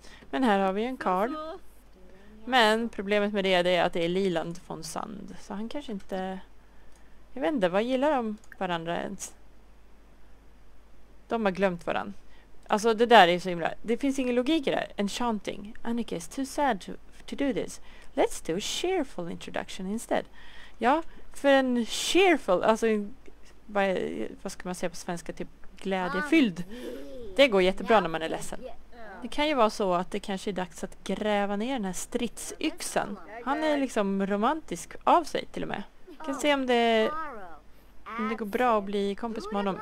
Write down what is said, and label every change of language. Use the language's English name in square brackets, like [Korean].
[Swedish] Men här har vi en karl. Men problemet med det är att det är Liland von Sand. Så han kanske inte... Jag vet inte, vad gillar de varandra ens? De har glömt varandra. Alltså det där är så himla... Det finns ingen logik i det här. [English] Enchanting. Annika is too sad to do this. Let's do a cheerful introduction instead. [Swedish] Ja, för en cheerful... Alltså en, vad ska man säga på svenska? Typ glädjefylld. Det går jättebra när man är ledsen. Det kan ju vara så att det kanske är dags att gräva ner den här stridsyxan. Han är liksom romantisk av sig till och med. Kan se om det går bra att bli kompis med honom.